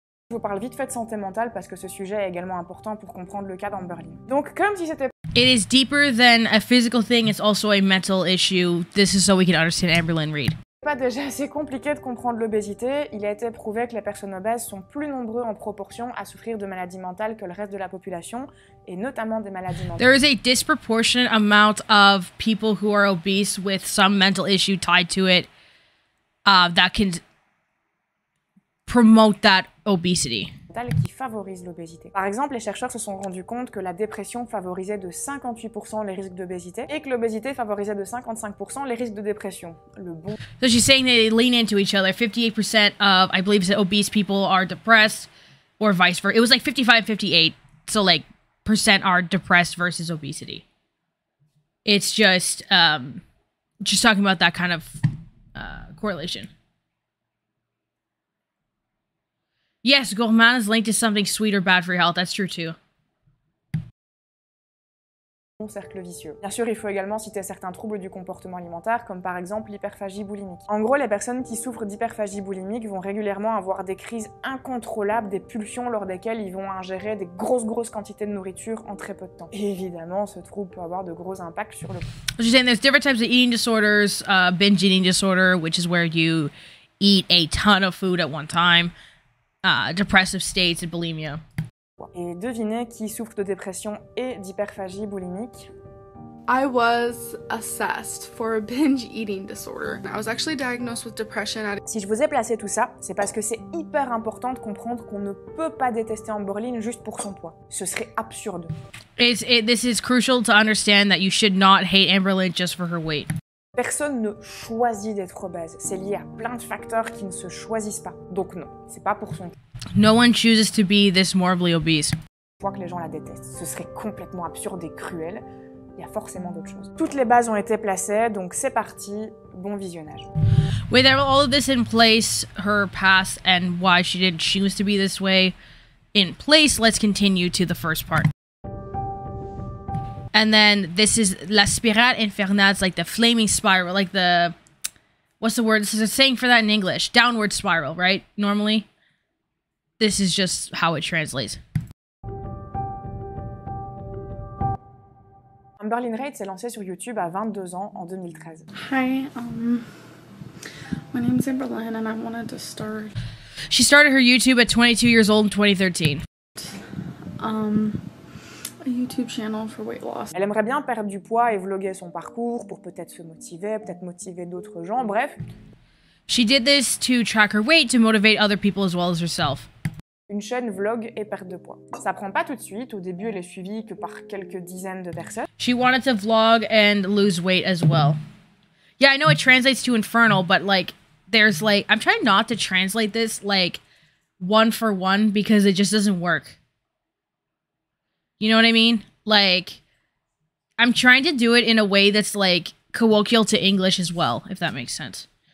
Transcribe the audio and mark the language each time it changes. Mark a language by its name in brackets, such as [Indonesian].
[French] Je vous parle vite fait de santé mentale parce que ce sujet est également important pour comprendre le cas d'Amberlynn. Donc comme si c'était [English] It is deeper than a physical thing, it's also a mental issue. This is so we can understand Amberlynn Reid. [French] Pas déjà assez compliqué de comprendre l'obésité, il a été prouvé que les personnes obèses sont plus nombreux en proportion à souffrir de maladies mentales que le reste de la population, et notamment des maladies mentales. [English] There is a disproportionate amount of people who are obese with some mental issue tied to it that can promote that obesity. [French] mentale qui favorise l'obésité. Par exemple, les chercheurs se sont rendus compte que la dépression favorisait de 58% les risques d'obésité et que l'obésité favorisait de 55% les risques de dépression. Le bon. [English] So she's saying they lean into each other. 58% of, I believe, that obese people are depressed, or vice versa. It was like 55-58, so like percent are depressed versus obesity. It's just talking about that kind of correlation. Yes, gourmand is linked to something sweet or bad for your health. That's true too. [French] Un cercle vicieux. Bien sûr, il faut également citer certains troubles du comportement alimentaire, comme par exemple l'hyperphagie boulimique. En gros, les personnes qui souffrent d'hyperphagie boulimique vont régulièrement avoir des crises incontrôlables, des pulsions lors desquelles ils vont ingérer des grosses quantités de nourriture en très peu de temps. Et évidemment, ce trouble peut avoir de gros impacts sur le. [English] She's saying there's different types of eating disorders, binge eating disorder, which is where you eat a ton of food at one time, depressive states and bulimia. [French] Et devinez qui souffre de dépression et d'hyperphagie boulimique. [English] I was assessed for a binge eating disorder. I was actually diagnosed with depression. [French] Si je vous ai placé tout ça, c'est parce que c'est hyper important de comprendre qu'on ne peut pas détester Amberlynn juste pour son poids. Ce serait absurde. [English] This is crucial to understand that you should not hate Amberlynn just for her weight. [French] Personne ne choisit d'être obèse. C'est lié à plein de facteurs qui ne se choisissent pas. Donc non, c'est pas pour son poids. [English] No one chooses to be this morbidly obese. [French] Je crois que les gens la détestent. Ce serait complètement absurde et cruel. Il y a forcément d'autres choses. Toutes les bases ont été placées, donc c'est parti. Bon visionnage. [English] With all of this in place, her past and why she didn't choose to be this way in place, let's continue to the first part. And then this is [French] la spirale infernale, [English] like the flaming spiral, like the, what's the word? This is a saying for that in English. Downward spiral, right? Normally. This is just how it translates. [French] Amberlynn Reid s'est lancée sur YouTube à 22 ans en 2013. [English] Hi, my name's Amberlynn and I wanted to start. She started her YouTube at 22 years old in 2013. A YouTube channel for weight loss. [French] Elle aimerait bien perdre du poids et vloguer son parcours pour peut-être se motiver, peut-être motiver d'autres gens, bref. [English] She did this to track her weight, to motivate other people as well as herself. [French] Une chaîne vlog et perte de poids. Ça prend pas tout de suite, au début elle est suivie que par quelques dizaines de personnes. [English] She wanted to vlog and lose weight as well. Yeah, I know it translates to infernal, but like, there's like, I'm trying not to translate this like one for one because it just doesn't work. You know what I mean? Like, I'm trying to do it in a way that's like colloquial to English as well, if that makes sense.